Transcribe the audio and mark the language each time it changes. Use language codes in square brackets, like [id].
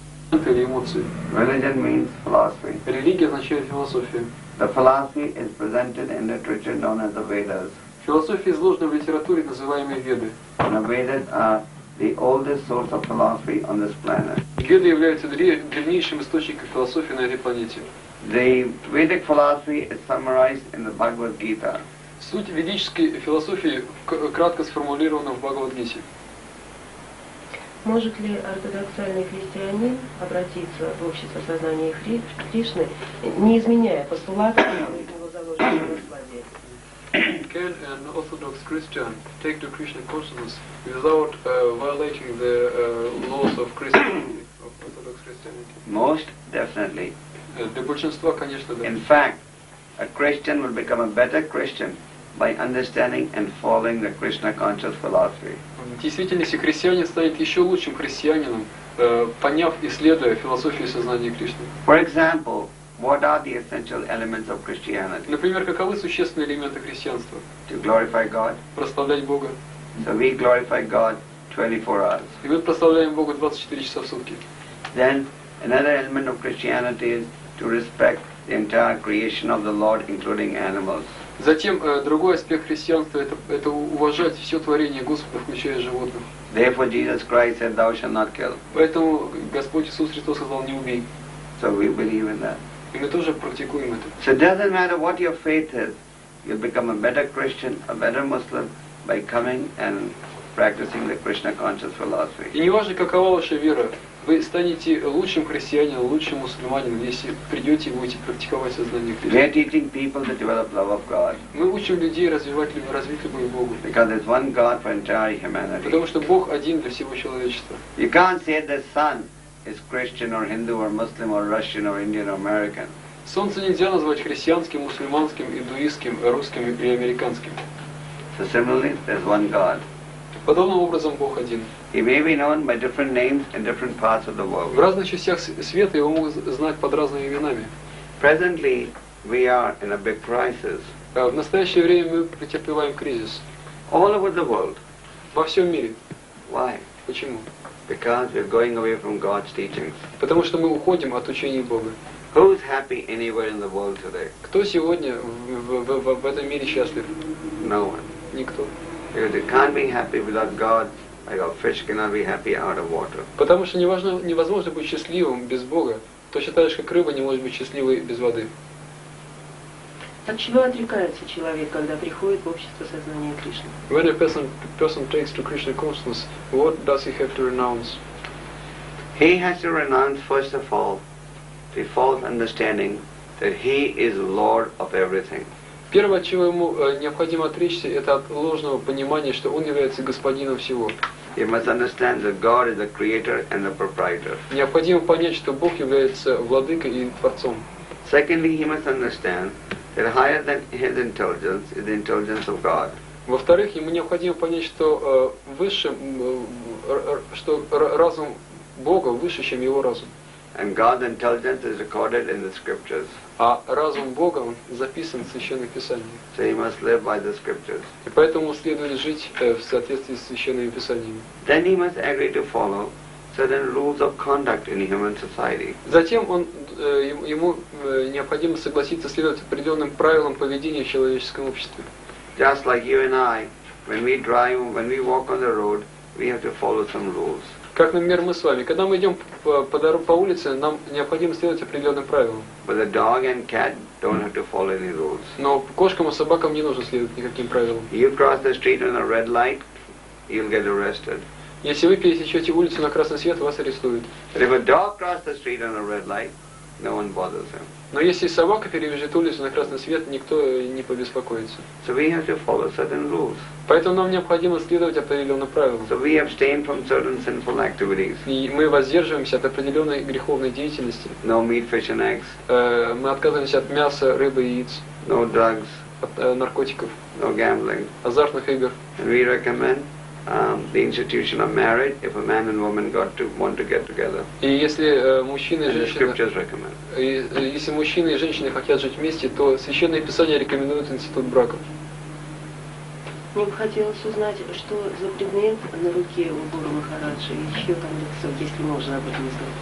[ru] Только ему эмоции. [en] Religion means philosophy. [ru] Религия означает философию. [en] The philosophy is presented in literature known as the Vedas. [ru] Философия изложена в литературе, называемой Веды. [en] And the Vedas are the oldest source of philosophy on this planet. [ru] Веды являются древнейшим источником философии на этой планете. [en] The Vedic philosophy is summarized in the Bhagavad Gita. [ru] Суть ведической философии кратко сформулирована в Бхагавад-гите. Может ли ортодоксальный христианин обратиться в общество сознания Кришны, не изменяя постулат его заложенного в Бхагавад-гите? [en] Can an orthodox Christian take to Krishna consciousness without violating the laws of orthodox Christianity? Most definitely. [ru] Для большинства, конечно, да. [en] In fact, a Christian will become a better Christian by understanding and following the Krishna conscious philosophy. [ru] В действительности христианин станет еще лучшим христианином, поняв и следуя философии сознания Кришны. [en] For example, what are the essential elements of Christianity? [ru] Например, каковы существенные элементы христианства? [en] To glorify God. [ru] Прославлять Бога. [en] So we glorify God 24 hours. [ru] И мы прославляем Бога 24 часа в сутки. [en] Then another element of Christianity is to respect the entire creation of the Lord, including animals. [ru] Затем другой аспект христианства это уважать все творение Господа, включая животных. [en] Therefore Jesus Christ said, "Thou shalt not kill." [ru] Поэтому Господь Иисус Христос сказал: "Не убей." [en] So we believe in that. [ru] И мы тоже практикуем это. [en] So it doesn't matter what your faith is, you'll become a better Christian, a better Muslim by coming and practicing the Krishna conscious philosophy. [ru] И неважно, какова ваша вера, вы станете лучшим христианином, лучшим мусульманином, если придете и будете практиковать сознание Кришны. [en] We are teaching people to develop love of God. [ru] Мы учим людей развивать любовь к Богу. [en] Because there's one God for entire humanity. [ru] Потому что Бог один для всего человечества. [en] You can't say the sun is Christian or Hindu or Muslim or Russian or Indian or American. [ru] Солнце нельзя назвать христианским, мусульманским, индуистским, русским или американским. [en] So similarly, there's one God. [ru] Подобным образом Бог один. [en] He may be known by different names in different parts of the world. [ru] В разных частях света его могут знать под разными именами. [en] Presently, we are in a big crisis. [ru] В настоящее время мы претерпеваем кризис. [en] All over the world. [ru] Во всем мире. [en] Why? [ru] Почему? [en] Because we're going away from God's teachings. [ru] Потому что мы уходим от учений Бога. [en] Who's happy anywhere in the world today? [ru] Кто сегодня в этом мире счастлив? [en] No one. [ru] Никто. [en] Because you can't be happy without God. Like a fish cannot be happy out of water. [ru] Потому что невозможно быть счастливым без Бога. Точно так же, как рыба не может быть счастливой без воды. От чего отрекается человек, когда приходит в общество сознания Кришны? [en] When a person takes to Krishna consciousness, what does he have to renounce? He has to renounce, first of all, the false understanding that he is Lord of everything. [ru] Первое, чего ему необходимо отречься, это от ложного понимания, что он является господином всего. [en] You must understand that God is the creator and the proprietor. [ru] Необходимо понять, что Бог является владыкой и творцом. [en] Secondly, he must understand that higher than his intelligence is the intelligence of God. [ru] Во-вторых, ему необходимо понять, что выше, что разум Бога выше, чем его разум. [en] And God's intelligence is recorded in the scriptures. [ru] А разум Бога записан в Священных Писаниях. [en] So he must live by the scriptures. [ru] И поэтому следует жить в соответствии с Священными Писаниями. [en] Then he must agree to follow certain rules of conduct in human society. [ru] Затем он ему необходимо согласиться следовать определенным правилам поведения в человеческом обществе. [en] Just like you and I, when we drive, when we walk on the road, we have to follow some rules. [ru] Как, например, мы с вами. Когда мы идем по улице, нам необходимо следовать определенным правилам. [en] But the dog and cat don't have to follow any rules. [ru] Но кошкам и собакам не нужно следовать никаким правилам. [en] You cross the street on a red light, you'll get arrested. [ru] Если вы пересечете улицу на красный свет, вас арестуют. [en] But if a dog crosses the street on a red light, no one bothers him. [ru] Но если собака перебежит улицу на красный свет, никто не побеспокоится. [en] So we have to follow certain rules. [ru] Поэтому нам необходимо следовать определенным правилам. [en] So we abstain from certain sinful activities. [ru] И мы воздерживаемся от определенной греховной деятельности. [en] No meat, fish and eggs. [ru] Мы отказываемся от мяса, рыбы и яиц. [en] No drugs. [ru] От наркотиков. [en] No gambling. [ru] Азартных игр. [en] And we recommend the institution of marriage if a man and woman want to get together. [ru] И если мужчина и женщина, [en] and the scriptures recommend. [ru] Если мужчина и женщина хотят жить вместе, то Священное Писание рекомендует институт браков. Мне бы хотелось узнать, что за предмет на руке у Гуру Махараджа, и еще там лицо, если можно об этом сказать.